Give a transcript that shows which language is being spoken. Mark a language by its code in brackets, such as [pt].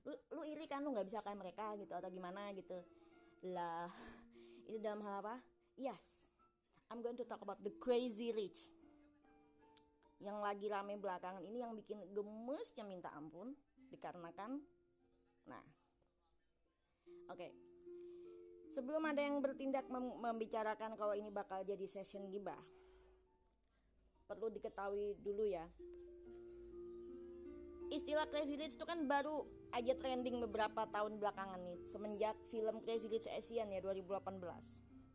[id] Lu iri kan, lu gak bisa kayak mereka gitu atau gimana gitu. Lah, itu dalam hal apa? [en] Yes, I'm going to talk about the crazy rich. [id] Yang lagi rame belakangan ini yang bikin gemesnya minta ampun. Dikarenakan, nah. Oke, okay. Sebelum ada yang bertindak membicarakan kalau ini bakal jadi session gibah, perlu diketahui dulu ya, istilah Crazy Rich itu kan baru aja trending beberapa tahun belakangan nih, semenjak film Crazy Rich Asian ya 2018.